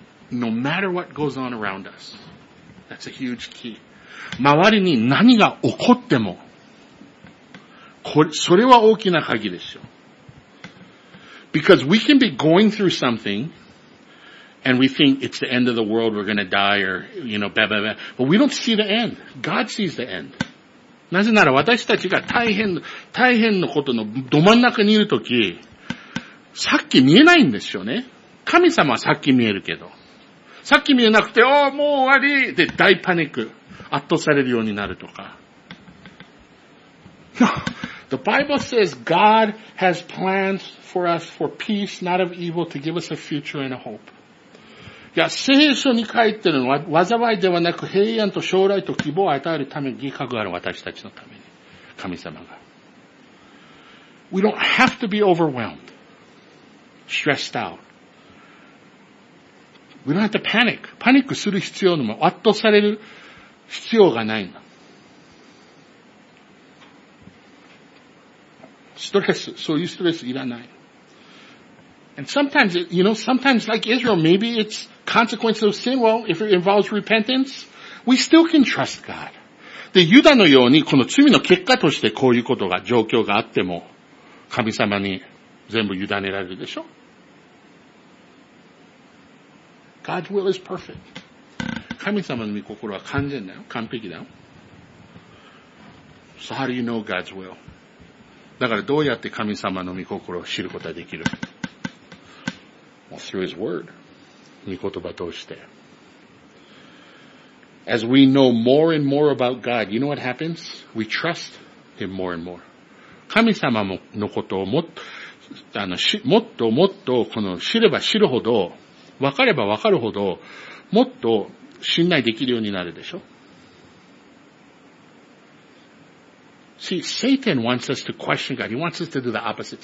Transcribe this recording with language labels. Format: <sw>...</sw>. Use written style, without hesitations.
<en>No matter what goes on around us, that's a huge key.</en> <ja>周りに何が起こっても、それは大きな鍵でしょ。</ja> <en>Because we can be going through something, and we think it's the end of the world, we're gonna die, or, you know, blah, blah, blah. But we don't see the end. God sees the end.</en> <ja>なぜなら私たちが大変のことのど真ん中にいるとき、さっき見えないんですよね。神様はさっき見えるけど。さっき見えなくて、おお、もう終わりで大パニック。圧倒されるようになるとか。</ja> <en>The Bible says God has plans for us for peace, not of evil, to give us a future and a hope.</en> <ja>いや、聖書に書いてるのは、災いではなく平安と将来と希望を与えるために、計画がある私たちのために。神様が。</ja> <en>We don't have to be overwhelmed, stressed out. We don't have to panic.</en> <ja>パニックする必要のも、圧倒される必要がないの。 stress, そういうストレスいらない。</ja> <en>And sometimes, you know, sometimes like Israel, maybe it's consequence of sin. Well, if it involves repentance, we still can trust God.</en> <ja>で、ユダのようにこの罪の結果としてこういうことが、状況があっても、神様に全部委ねられるでしょ。</ja> <en>God's will is perfect.</en> <ja>神様の御心は完全だよ。完璧だよ。</ja> <en>So how do you know God's will?</en> <ja>だからどうやって神様の御心を知ることができる</ja> <en>Well, through His word.</en> <ja>御言葉として。</ja> <en>As we know more and more about God, you know what happens? We trust Him more and more.</en> <ja>神様のことをもっともっとこの知れば知るほど、分かれば分かるほど、もっと信頼できるようになるでしょ。</ja> <en>See, Satan wants us to question God. He wants us to do the opposite.</en>